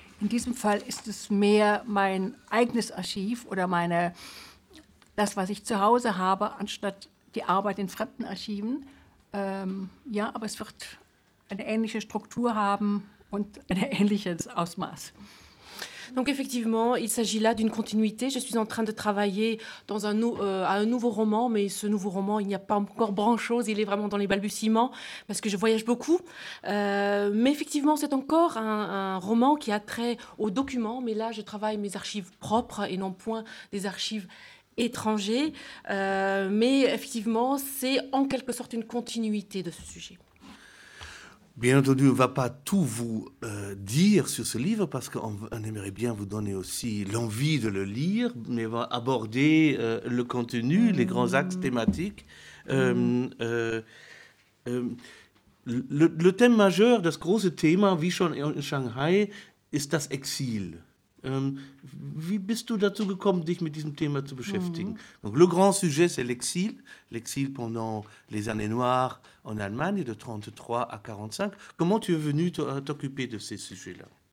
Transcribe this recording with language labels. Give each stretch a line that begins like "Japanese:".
German: In diesem Fall ist es mehr mein eigenes Archiv oder das, was ich zu Hause habe, anstatt die Arbeit in fremden Archiven. Ja, aber es wird eine ähnliche Struktur haben und ein ähnliches Ausmaß.
French: Donc effectivement, il s'agit là d'une continuité. Je suis en train de travailler dans un nouveau roman, mais ce nouveau roman, il n'y a pas encore grand-chose. Il est vraiment dans les balbutiements parce que je voyage beaucoup. Mais effectivement, c'est encore un roman qui a trait aux documents. Mais là, je travaille mes archives propres et non point des archives étrangères. Mais effectivement, c'est en quelque sorte une continuité de ce sujet. Bien entendu, on ne va pas tout vous dire sur ce livre, parce qu'on aimerait bien vous donner aussi l'envie de le lire, mais on va aborder le contenu, les grands axes thématiques. Le thème majeur de ce gros thème, « Wie schon in Shanghai »,
German: ist das Exil. Wie bist du dazu gekommen, dich mit diesem Thema zu beschäftigen?
French: Donc, le grand sujet, c'est l'exil. L'exil pendant les années noires en Allemagne, de 1933 à 1945. Comment tu es venue t'occuper de ces sujets-là?